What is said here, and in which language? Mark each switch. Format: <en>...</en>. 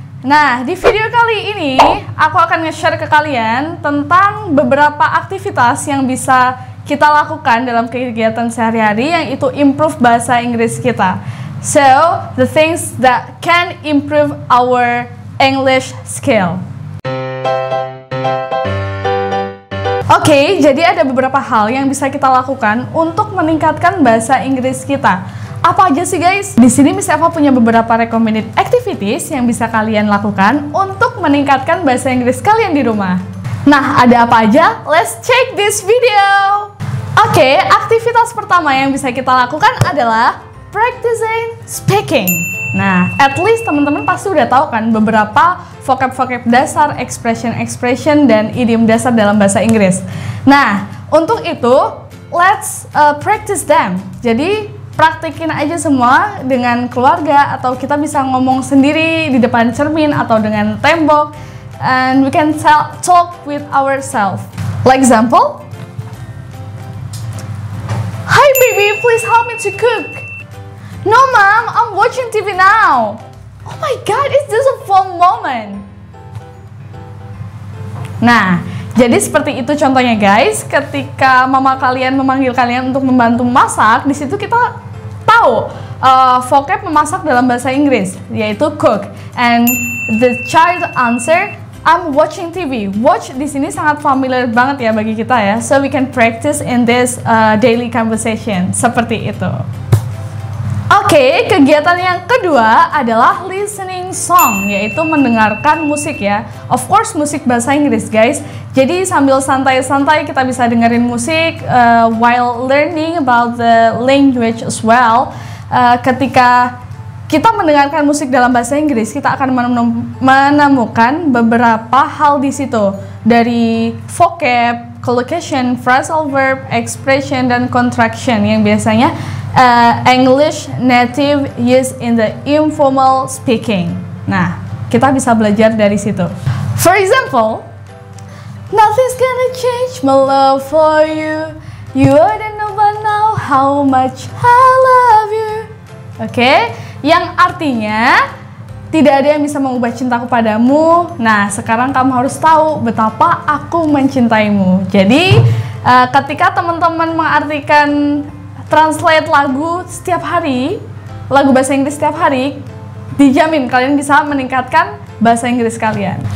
<id>Nah, di video kali ini, aku akan nge-share ke kalian tentang beberapa aktivitas yang bisa kita lakukan dalam kegiatan sehari-hari yang itu improve bahasa Inggris kita.</id> <en>So, the things that can improve our English skill.</en> <id>Okay, jadi ada beberapa hal yang bisa kita lakukan untuk meningkatkan bahasa Inggris kita. Apa aja sih guys? Di sini Miss Eva punya beberapa recommended activities yang bisa kalian lakukan untuk meningkatkan bahasa Inggris kalian di rumah. Nah, ada apa aja?</id> <en>Let's check this video!</en> <id>Okay, aktivitas pertama yang bisa kita lakukan adalah practicing speaking. Nah, at least teman-teman pasti udah tahu kan beberapa vocab-vocab dasar, expression-expression, dan idiom dasar dalam bahasa Inggris. Nah, untuk itu,</id> <en>let's practice them.</en> <id>Jadi, praktikin aja semua dengan keluarga, atau kita bisa ngomong sendiri di depan cermin atau dengan tembok.</id> <en>And we can talk with ourselves. Like example, "Hi baby, please help me to cook." "No mom, I'm watching TV now." "Oh my god, is this a fun moment?"</en> <id>Nah, jadi seperti itu contohnya guys. Ketika mama kalian memanggil kalian untuk membantu masak, di situ kita tahu vocab memasak dalam bahasa Inggris yaitu cook.</id> <en>And the child answer, "I'm watching TV."</en> <id>Watch di sini sangat familiar banget ya bagi kita ya.</id> <en>So we can practice in this daily conversation.</en> <id>Seperti itu. Okay, kegiatan yang kedua adalah listening song, yaitu mendengarkan musik ya.</id> <en>Of course,</en> <id>musik bahasa Inggris guys. Jadi sambil santai-santai kita bisa dengerin musik</id> <en>while learning about the language as well.</en> <id>Ketika kita mendengarkan musik dalam bahasa Inggris, kita akan menemukan beberapa hal di situ. Dari vocab, collocation, phrasal verb, expression, dan contraction yang biasanya</id> <en>English native use in the informal speaking.</en> <id>Nah, kita bisa belajar dari situ.</id> <en>For example, "Nothing's gonna change my love for you. You don't know but now how much I love you." Okay?</en> <id>Yang artinya, tidak ada yang bisa mengubah cintaku padamu. Nah, sekarang kamu harus tahu betapa aku mencintaimu. Jadi, ketika teman-teman mengartikan translate lagu setiap hari, lagu bahasa Inggris setiap hari, dijamin kalian bisa meningkatkan bahasa Inggris kalian.</id>